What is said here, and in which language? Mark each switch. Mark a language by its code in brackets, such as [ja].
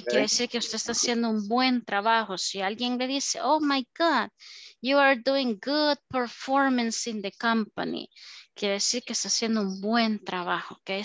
[es] Quiere decir que usted está haciendo un buen trabajo. Si alguien le dice, [en] oh my God, you are doing good performance in the company. [es] Quiere decir que está haciendo un buen trabajo, okay.